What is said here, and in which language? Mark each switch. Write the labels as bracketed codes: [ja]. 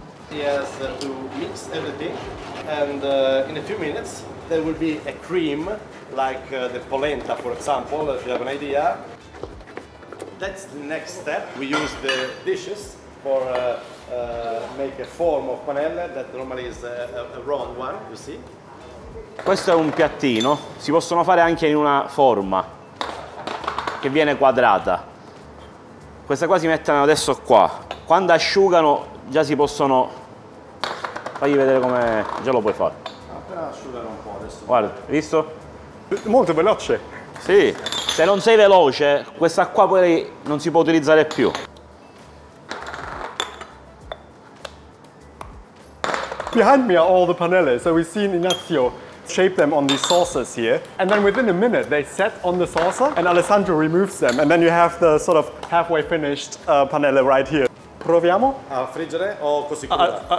[en] He has to mix everything and in a few minutes there will be a cream like the polenta, for example, if you have an idea. That's the next step. We use the dishes for make a form of panelle that normally is a round one, you see. [it] Questo è un piattino, si possono fare anche in una forma che viene quadrata. Questa qua si mettono adesso qua. Quando asciugano già si possono... Fagli vedere come... già lo puoi fare. Appena asciugano un po' adesso. Guarda, hai visto? Molto veloce. Sì, se non sei veloce questa qua poi non si può utilizzare più. [en] Behind me are all the panelle, so we've seen Ignazio shape them on these saucers here, and then within a minute they set on the saucer and Alessandro removes them, and then you have the sort of halfway finished panelle right here. [it] Proviamo? A friggere o così cruda?